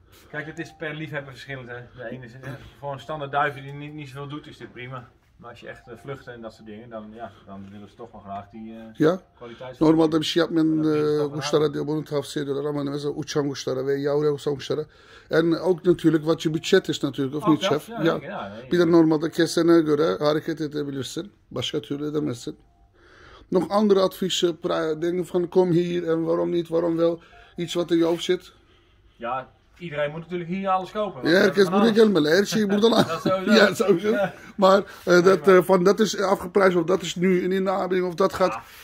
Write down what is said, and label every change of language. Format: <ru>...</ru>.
<nl>Kijk, het is per liefhebber verschillend. Hè. De ene is gewoon een standaard duiven die niet zoveel doet, is dit prima. Maar als je echt vluchten en dat soort dingen, dan willen ze toch wel graag die kwaliteit. Normaal dat je hebt met</nl> <tr>kuşlara diyor, bunu tavsiye ediyorlar. Ama mesela uçan kuşlara ve yavru uçan kuşlara.</tr> <nl>En ook natuurlijk wat je budget is natuurlijk, of niet chef? Ja.</nl> <tr>Bir de normalde kesene göre hareket edebilirsin. Başka türlü edemezsin.</tr> <nl>Nog andere adviezen, dingen van kom hier en waarom niet, waarom wel. Iets wat in je hoofd zit. Ja, iedereen moet natuurlijk hier alles kopen. Ja, herkens moet ik helemaal. Herkens moet dan. Ja, sowieso. Maar dat is afgeprijsd of dat is nu in de aanbieding of dat gaat. Ja.</nl>